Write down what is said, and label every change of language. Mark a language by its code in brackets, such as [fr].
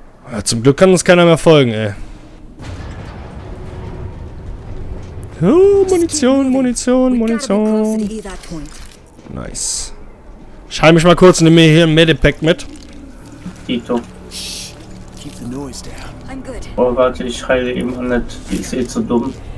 [de] Ja, zum Glück kann uns keiner mehr folgen, ey. Oh, Munition, Munition, Munition. [en] Nice. [de] Ich heile mich mal kurz und nehme mir hier ein Medipack mit. [en] Tito. Keep the noise down. I'm good. [de] Oh, warte, ich heile immer nicht. Die ist eh zu dumm.